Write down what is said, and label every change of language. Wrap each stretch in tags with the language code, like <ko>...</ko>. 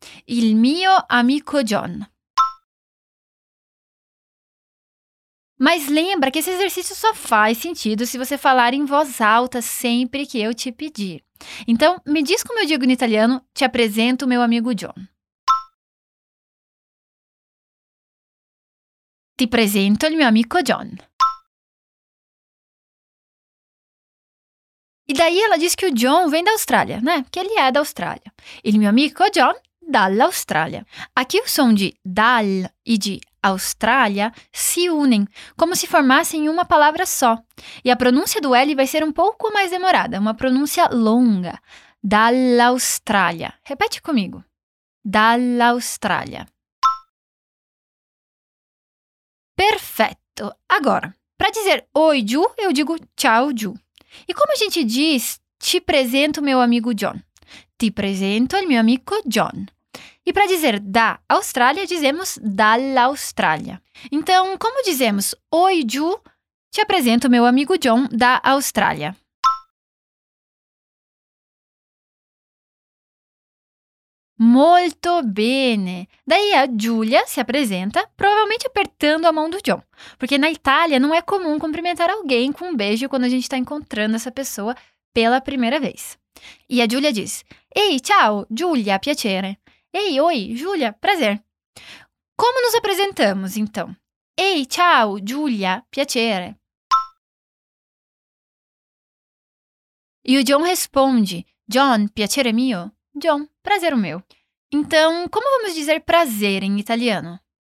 <it>Il mio amico John.</it> <pt>Mas lembra que esse exercício só faz sentido se você falar em voz alta sempre que eu te pedir. Então, me diz como eu digo em italiano, te apresento meu amigo John.</pt> <it>Ti presento il mio amico John.</it> <pt>E daí ela diz que o John vem da Austrália, né? Que ele é da Austrália.</pt> <it>Il mio amico John dall'Australia.</it> <pt>Aqui o som de dal e de Austrália se unem, como se formassem uma palavra só. E a pronúncia do L vai ser um pouco mais demorada, uma pronúncia longa. Dall'Australia. Repete comigo. Dall'Australia. Perfeito. Agora, para dizer oi, Ju, eu digo ciao, Ju. E como a gente diz te presento meu amigo John?</pt> <it>Ti presento il mio amico John.</it> <pt>E para dizer da Austrália, dizemos dall'Australia. Então, como dizemos oi, Ju, te apresento meu amigo John da Austrália.</pt> <it>Molto bene!</it> <pt>Daí a Julia se apresenta, provavelmente apertando a mão do John. Porque na Itália não é comum cumprimentar alguém com um beijo quando a gente está encontrando essa pessoa pela primeira vez. E a Julia diz,</pt> <it>ei, ciao, Julia, piacere.</it> <pt>Ei, oi, Julia, prazer. Como nos apresentamos, então?</pt> <it>Ei, ciao, Julia, piacere.</it> <pt>E o John responde,</pt> <it>John, piacere mio.</it> <pt>John, prazer o meu. Então, como vamos dizer prazer em italiano?</pt>